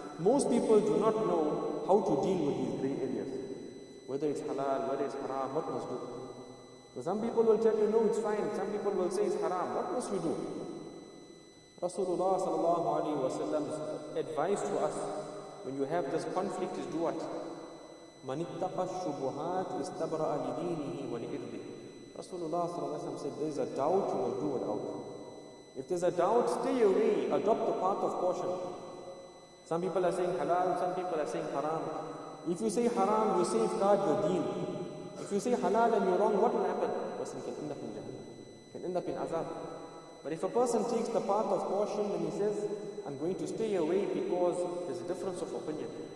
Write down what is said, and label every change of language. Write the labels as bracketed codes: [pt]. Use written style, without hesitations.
[en] Most people do not know how to deal with these gray areas. Whether it's halal, whether it's haram, what must do? So some people will tell you, no, it's fine. Some people will say it's haram. What must you do? Rasulullah sallallahu alayhi wa sallam's advice to us, when you have this conflict, is do what? [ar] من اتقى الشبهات استبرأ لدينه ولإرضه. [en] Rasulullah sallallahu alayhi wa sallam said, there's a doubt, you will do without. If there's a doubt, stay away, adopt the path of caution. Some people are saying halal, some people are saying haram. If you say haram, you safeguard your deen. If you say halal and you're wrong, what will happen? A person can end up in jahannam, can end up in azab. But if a person takes the path of caution and he says, I'm going to stay away because there's a difference of opinion.